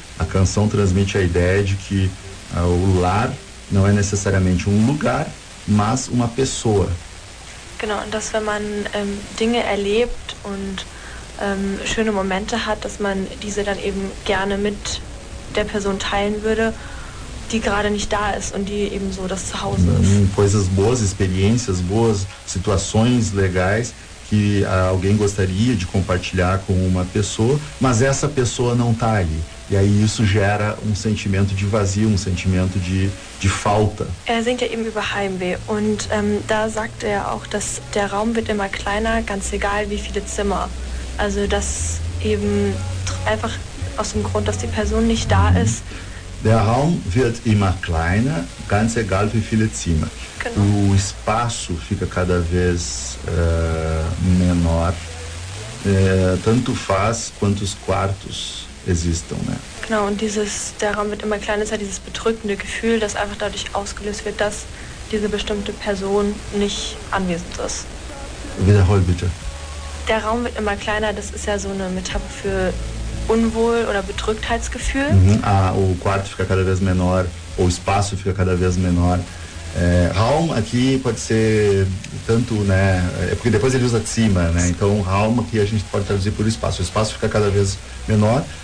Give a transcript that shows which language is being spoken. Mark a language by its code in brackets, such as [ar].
[pt] A canção transmite a ideia de que o lar não é necessariamente lugar, mas uma pessoa. [de] Genau, und dass wenn man Dinge erlebt und schöne Momente hat, dass man diese dann eben gerne mit der Person teilen würde, die gerade nicht da ist und die eben so das Zuhause ist. [pt] Coisas boas, experiências boas, situações legais que alguém gostaria de compartilhar com uma pessoa, mas essa pessoa não tá ali. E aí isso gera um sentimento de vazio, um sentimento de falta. [de] Er singt ja eben über Heimweh und da sagt er auch, dass der Raum wird immer kleiner, ganz egal wie viele Zimmer. Also dass eben einfach aus dem Grund, dass die Person nicht da ist. Der Raum wird immer kleiner, ganz egal wie viele Zimmer. Genau. [pt] O espaço fica cada vez menor, tanto faz quantos quartos existam, né? [de] Genau, und dieses, der Raum wird immer kleiner, ist ja dieses bedrückende Gefühl, das einfach dadurch ausgelöst wird, dass diese bestimmte Person nicht anwesend ist. Wiederhol bitte. Der Raum wird immer kleiner, das ist ja so eine Metapher für Unwohl oder Bedrücktheitsgefühl. Mhm. [pt] Ah, o quarto fica cada vez menor, o espaço fica cada vez menor. Raum aqui pode ser tanto, né? É porque depois ele usa cima, né? Então Raum aqui a gente pode traduzir por espaço. O espaço fica cada vez menor.